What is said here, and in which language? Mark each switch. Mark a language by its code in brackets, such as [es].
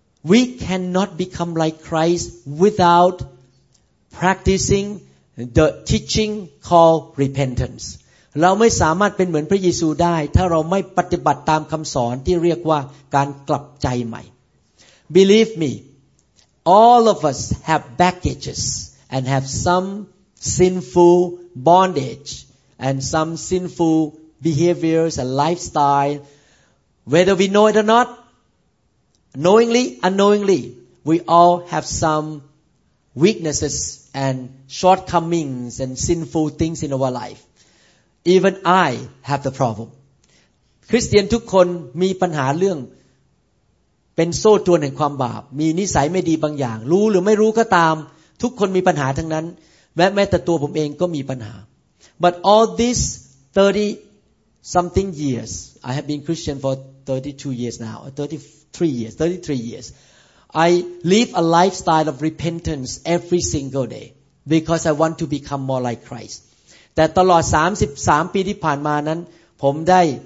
[en] we cannot become like Christ without practicing the teaching called repentance [th] เราไม่สามารถเป็นเหมือนพระเยซูได้ถ้าเราไม่ปฏิบัติตามคำสอนที่เรียกว่าการกลับใจใหม่ [en] Believe me, all of us have baggages and have some sinful bondage and some sinful behaviors and lifestyle. Whether we know it or not, knowingly, unknowingly, we all have some weaknesses and shortcomings and sinful things in our life. Even I have the problem. [th] คริสเตียนทุกคนมีปัญหาเรื่องเป็นโซ่ตรวนแห่งความบาปมีนิสัยไม่ดีบางอย่างรู้หรือไม่รู้ก็ตามทุกคนมีปัญหาทั้งนั้นแม้แต่ตัวผมเองก็มีปัญหา [en] But all these 30 something years I have been Christian for 32 years now 33 years I live a lifestyle of repentance every single day because I want to become more like Christ [th] แต่ตลอด33ปีที่ผ่านมานั้นผมได้